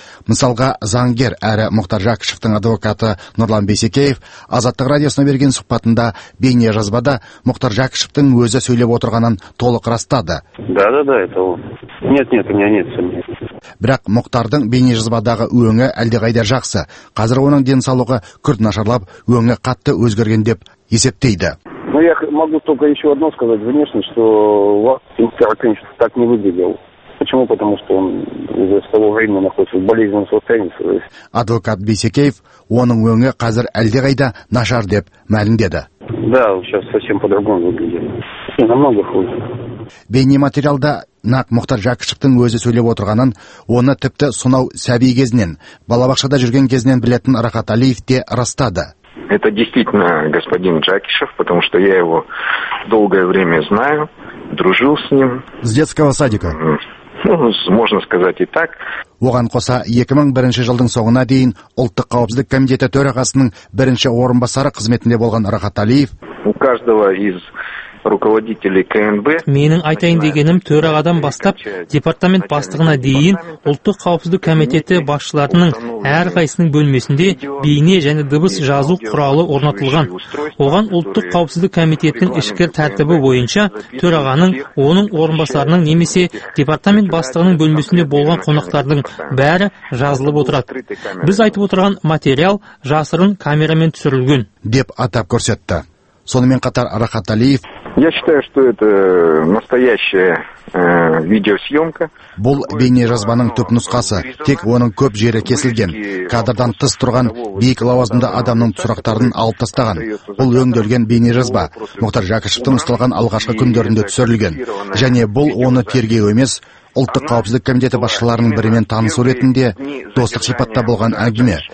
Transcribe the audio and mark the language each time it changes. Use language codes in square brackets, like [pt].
[kk] Мысалға заңгер әрі Мұхтар Жәкішевтің адвокаты Нұрлан Бейсекеев Азаттық радиосына берген сұхбатында бейне жазбада Мұхтар Жәкішевтің өзі сөйлеп отырғанын толық растады. [ru] Да, это он. Нет, у меня нет сомнений. [kk] Бірақ Мұхтардың бейне жазбадағы өңі әлдеқайда жақсы. Қазір оның денсаулығы күрт нашарлап, өңі қатты өзгерген деп есептейді. [ru] Ну я могу только еще одно сказать, внешне, что Мұхтар так не выглядел. Почему? Потому что он уже с того времени находится в болезненном состоянии. [kk] Адвокат Бейсекеев оның өңі қазір әлдеқайда нашар деп мәлімдеді. [ru] Да, сейчас совсем по-другому выглядит. Намного хуже. [kk] Бейнематериалда нақ Мұхтар Жәкішевтің өзі сөйлеп отырғанын, оны тіпті сонау сәби кезінен, балабақшада жүрген кезінен білетін Рахат Алиев те растады. [ru] Это действительно господин Жәкішев, потому что я его долгое время знаю, дружил с ним. С детского садика? Можно сказать и так. [kk] Оған қоса 2001 жылдың соңына дейін Ұлттық қауіпсіздік комитеті төрағасының бірінші орынбасары қызметінде болған Рахат Алиев. [ru] У каждого из руководителей КНБ. [kk] Менің айтайын дегенім, төрағадан бастап департамент бастығына дейін Ұлттық қауіпсіздік комитеті басшыларының әрқайсының бөлмесінде бейне және дыбыс жазу құралы орнатылған. Оған Ұлттық қауіпсіздік комитетінің ішкі тәртібі бойынша төрағаның, оның орынбасарының немесе департамент бастығының бөлмесінде болған қонақтардың бәрі жазылып отырады. Біз айтып отырған материал жасырын камерамен түсірілген деп атап көрсетті. Сонымен қатар Рахат Алиев, [ru] я считаю, что это настоящая видеосъемка. [kk] Бұл бейнежазбаның түп нұсқасы, тек оның көп жері кесілген. Кадрдан тыс тұрған биік лауазымды адамның сұрақтарын алып тастаған. Бұл өңделген бейнежазба Мұхтар Жәкішевтің ұсталған алғашқы күндерінде түсірілген. Және бұл оны тергеу емес, Ұлттық қауіпсіздік комитеті басшыларының бірімен танысу ретінде достық сипатта болған әңгіме.